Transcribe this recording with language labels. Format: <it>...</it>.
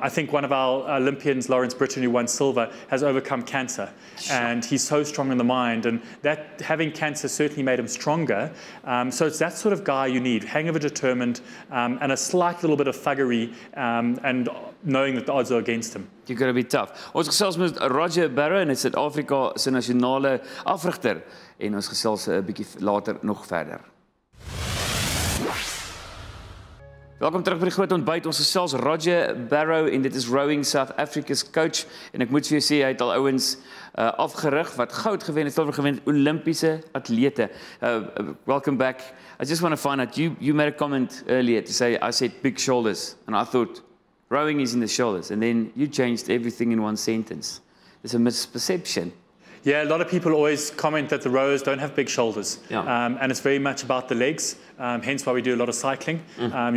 <en>I think one of our Olympians, Lawrence Britton, who won silver, has overcome cancer. Sure. And he's so strong in the mind. And that having cancer certainly made him stronger. So it's that sort of guy you need, hangover determined, and a slight little bit of thuggery, and knowing that the odds are against him. You've got to be tough.</en> <af>Ons gesels met Roger Barrow, en hy's Suid-Afrika se nasionale afrigter. En ons gesels 'n bietjie later nog verder. Welkom terug by die Groot Ontbyt. Ons gesels Roger Barrow, en dit is Rowing South Africa's coach. En ek moet vir jou sê, hy het al ouens afgerig wat goud gewen het, silver gewen het, Olimpiese atlete.</af> <en>Welcome back. I just want to find out, you made a comment earlier to say, I said big shoulders, and I thought, rowing is in the shoulders, and then you changed everything in one sentence. It's a misperception. Yeah, a lot of people always comment that the rowers don't have big shoulders. Yeah. And it's very much about the legs, hence why we do a lot of cycling. Mm-hmm.</en>